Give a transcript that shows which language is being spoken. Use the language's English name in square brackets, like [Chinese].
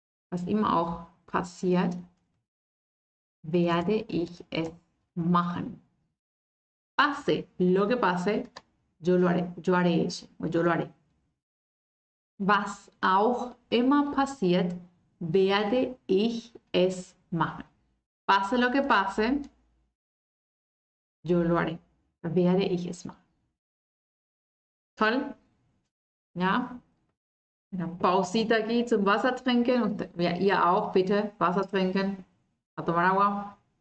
[German] Was immer auch passiert, werde ich es machen. [Spanish] Pase lo que pase, yo lo haré. Yo haré eso. O yo lo haré. [German] Was auch immer passiert, werde ich es machen. [Spanish] Pase lo que pase, yo lo haré. [German] Werde ich es machen. Toll. Ja. [Spanish] Una pausita aquí [German] zum Wasser trinken. Und ja, ihr auch, bitte. Wasser trinken. [Spanish] A tomar agua.